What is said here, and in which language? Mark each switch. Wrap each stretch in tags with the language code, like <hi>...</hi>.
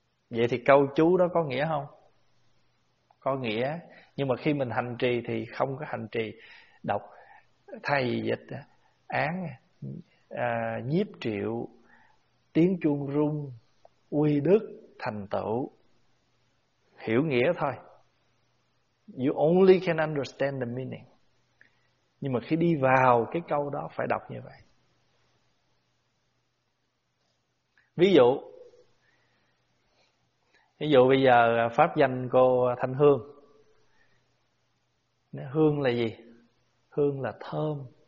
<vi>Vậy thì câu chú đó có nghĩa không? Có nghĩa. Nhưng mà khi mình hành trì thì không có hành trì đọc. Thầy dịch án nhiếp triệu, tiếng chuông rung, uy đức, thành tựu, hiểu nghĩa thôi.</vi> <en>You only can understand the meaning.</en> <vi>Nhưng mà khi đi vào cái câu đó phải đọc như vậy. Ví dụ bây giờ pháp danh cô Thanh Hương, Hương là gì? Hương là thơm.</vi>